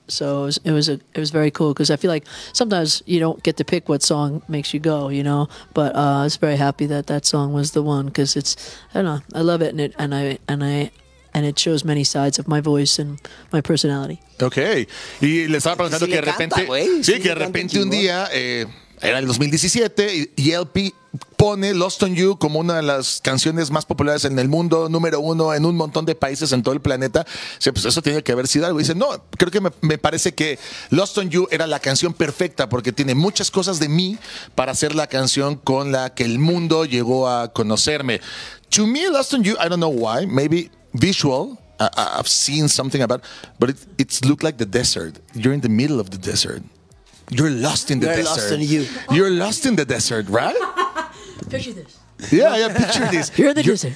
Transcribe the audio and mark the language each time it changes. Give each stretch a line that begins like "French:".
English: So it was very cool, because I feel like sometimes you don't get to pick what song makes you go, you know. But I was very happy that that song was the one, because it's, I don't know, I love it, and it shows many sides of my voice and my personality.
Spanish: Okay. Y le estaba preguntando que de repente, canta, sí, que de repente un día, era el 2017, y LP pone Lost on You como una de las canciones más populares en el mundo, número uno en un montón de países en todo el planeta. Dice, pues eso tiene que haber sido algo. Dice, no, creo que me parece que Lost on You era la canción perfecta porque tiene muchas cosas de mí para hacer la canción con la que el mundo llegó a conocerme.
English: To me, Lost on You, I don't know why, maybe visual. I've seen something about, but it looked like the desert. You're in the middle of the desert. You're lost in the desert. You're lost in you. You're lost in the desert, right? Picture this. Yeah, picture this. You're in the desert.